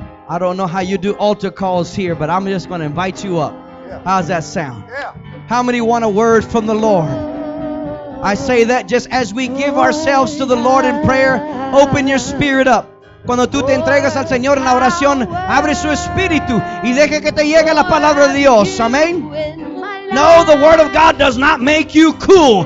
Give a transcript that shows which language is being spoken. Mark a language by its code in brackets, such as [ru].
[en] I don't know how you do altar calls here, but I'm just going to invite you up. How's that sound? How many want a word from the Lord? I say that just as we give ourselves to the Lord in prayer, open your spirit up. [es] Cuando tú te entregas al Señor en la oración, abre su espíritu y deja que te llegue la palabra de Dios. Amén. [en] No, the word of God does not make you cool.